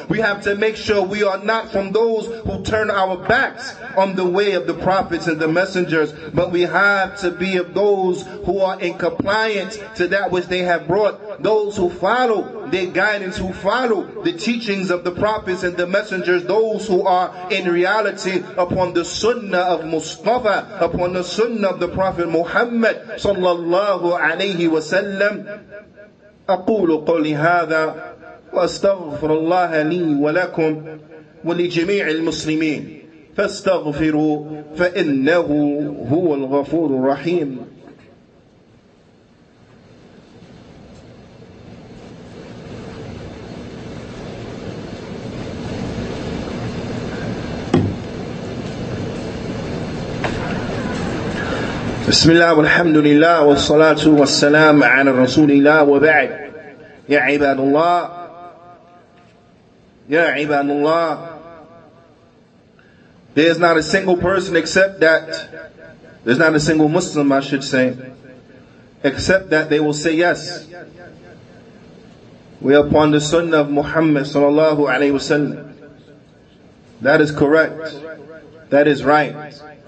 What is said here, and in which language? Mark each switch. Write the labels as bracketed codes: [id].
[en] We have to make sure we are not from those who turn our backs on the way of the prophets and the messengers, but we have to be of those who are in compliance to that which they have brought, those who follow their guidance, who follow the teachings of the prophets and the messengers, those who are in reality upon the sunnah of Mustafa, upon the sunnah of the Prophet Muhammad sallallahu alayhi wa sallam. [ar] أقول قولي هذا وأستغفر الله لي ولكم ولجميع المسلمين فاستغفروا فإنه هو الغفور الرحيم. بسم الله والحمد لله والصلاة والسلام على رسول الله وبعد يا عباد الله يا عباد الله. [en] There's not a single person except that, there's not a single Muslim I should say, except that they will say yes. We are upon the sunnah of Muhammad sallallahu alayhi wa sallam. That is correct. That is right.